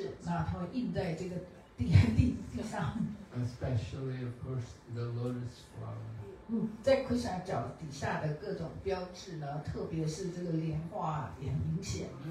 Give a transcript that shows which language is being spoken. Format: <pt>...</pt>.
<zh>因为呢，Krishna的脚底呢有不同的这个，还有包括莲花的这种所谓这个标志，那它会印在这个地上。</zh> <en>Especially, of course, the lotus flower.</en> <zh>在Krishna脚底下的各种标志呢，特别是这个莲花也明显。</zh>